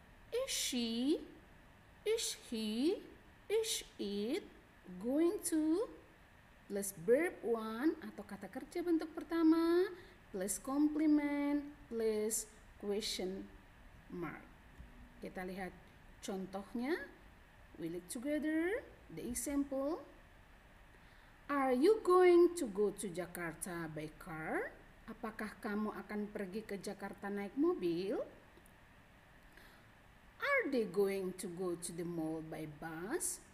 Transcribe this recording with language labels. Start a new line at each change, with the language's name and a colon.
English: Is she, is he, is it going to plus verb one
Indonesian: atau kata kerja bentuk pertama
English: plus complement plus question mark.
Indonesian: Kita lihat contohnya.
English: We look together the example. Are you going to go to Jakarta by car?
Indonesian: Apakah kamu akan pergi ke Jakarta naik mobil?
English: Are they going to go to the mall by bus?